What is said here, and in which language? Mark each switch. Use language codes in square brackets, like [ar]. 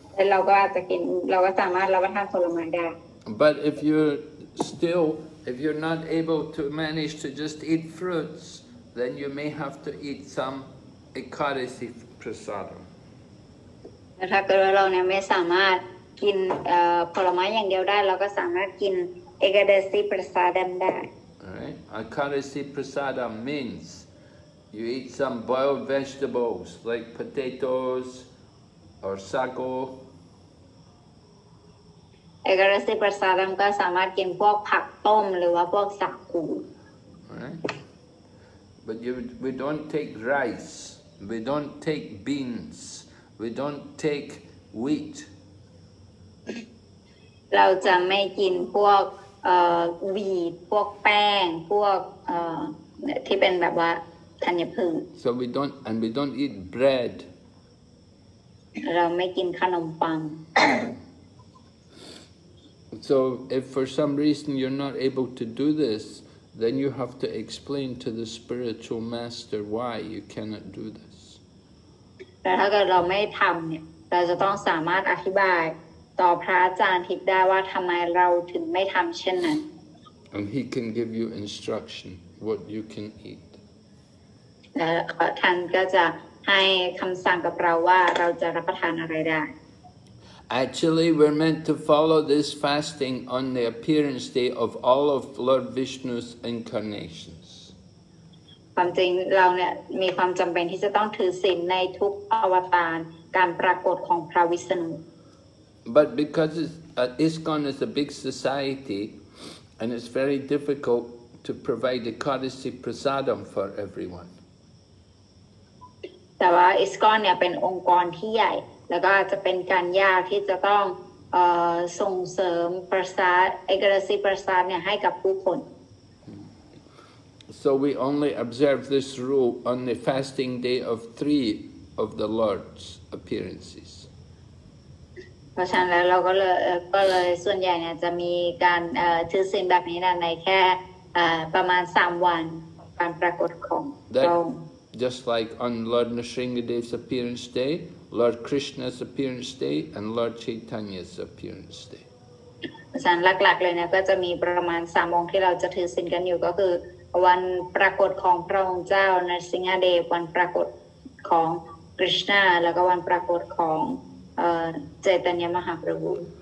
[th] เราก็อาจจะกินเราก็สามารถรับประทานผลไม้ได้ [en] But if you're still, if you're not able to manage to just eat fruits, then you may have to eat some ekadasi prasadam. [th] ถ้าเกิดว่าเราเนี่ยไม่สามารถกินผลไม้อย่างเดียวได้เราก็สามารถกินเอกาดัสีปรสาดัมได้ [en] เอกาดัสีปรสาดัม means you eat some boiled vegetables like potatoes or sago [th] เอกาดัสีปรสาดัมก็สามารถกินพวกผักต้มหรือว่าพวกสากู [en] but you, we don't take rice we don't take beansWe don't take wheat. [th] เราจะไม่กินพวกวีทพวกแป้งพวกที่เป็นแบบว่าธัญพืช [en] So we don't and we don't eat bread. [th] เราไม่กินขนมปัง [en] So if for some reason you're not able to do this, then you have to explain to the spiritual master why you cannot do this. [th] แต่ถ้าเกิดเราไม่ทำเนี่ยเราจะต้องสามารถอธิบายต่อพระอาจารย์ทิพย์ได้ว่าทำไมเราถึงไม่ทำเช่นนั้น [en] And he can give you instruction what you can eat [th] และท่านก็จะให้คำสั่งกับเราว่าเราจะรับประทานอะไรได้ [en] Actually we're meant to follow this fasting on the appearance day of all of Lord Vishnu's incarnations [th] ความจริงเราเนี่ยมีความจำเป็นที่จะต้องถือศีลในทุกอวตารการปรากฏของพระวิษณุ [en] But because ISKCON is a big society and it's very difficult to provide ekadasi prasadam for everyone [th] แต่ว่า ISKCON เนี่ยเป็นองค์กรที่ใหญ่แล้วก็จะเป็นการยากที่จะต้องส่งเสริมปรสาทเอกาดาสีปรสาทเนี่ยให้กับผู้คน [en] So we only observe this rule on the fasting day of three of the Lord's appearances. [th] เพราะฉะนั้นเราก็เลยส่วนใหญ่เนี่ยจะมีการถือศีลแบบนี้นะในแค่ประมาณ3วันการปรากฏของพระองค์ [en] Just like on Lord Narasimhadev's appearance day, Lord Krishna's appearance day, and Lord Chaitanya's appearance day. [th] เพราะฉะนั้นหลักๆเลยเนี่ยก็จะมีประมาณ3องค์ที่เราจะถือศีลกันอยู่ก็คือวันปรากฏของพระองค์เจ้านรสิงหเดชวันปรากฏของคริชนาแล้วก็วันปรากฏของเจตนยมหาปรภู